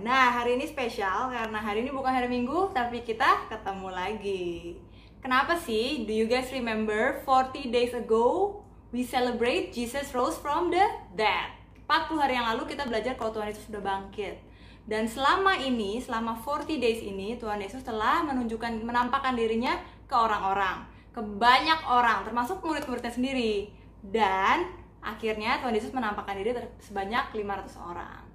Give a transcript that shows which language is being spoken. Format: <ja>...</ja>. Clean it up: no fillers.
<id>Nah, hari ini spesial karena hari ini bukan hari Minggu, tapi kita ketemu lagi. Kenapa sih?</id> <en>Do you guys remember 40 days ago we celebrate Jesus rose from the dead?</en> <id>40 hari yang lalu kita belajar kalau Tuhan Yesus sudah bangkit. Dan selama ini, selama</id> <en>40 days</en> <id>ini, Tuhan Yesus telah menunjukkan, menampakkan dirinya ke orang-orang, ke banyak orang, termasuk murid-muridnya sendiri. Dan akhirnya Tuhan Yesus menampakkan diri sebanyak 500 orang.</id>